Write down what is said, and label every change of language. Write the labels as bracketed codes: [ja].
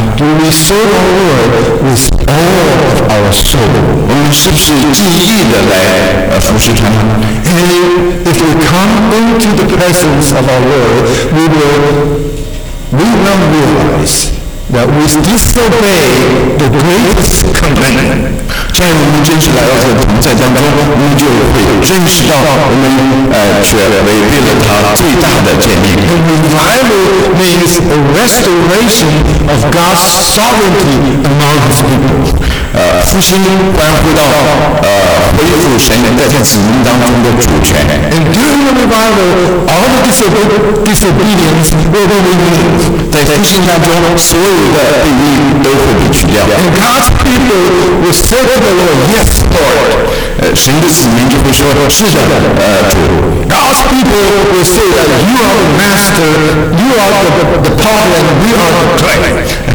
[en] ？Do we serve our Lord with all of our soul? [zh] 我们是不是尽意的来服侍他呢 [en] ？And if to come into the presence of our Lord, we will realize that we disobey the greatest commandment. [zh] 在我们真实来到这个同在当中，我们就会认识到我们是违背了他最大的诫命。 [en] And revival means a restoration of God's sovereignty among His people. [zh] 复兴关乎到恢复神人在子民当中的主权。 [en] And during the revival, all the disobedience will be removed. [zh] 在复兴当中，所有的悖逆都会被去掉。 [en] And God's people will say to the Lord, "Yes, Lord." [zh] 神的子民就会说是的，主。 [en] God's people will say that you are the master, you are the prophet, and we are the clay.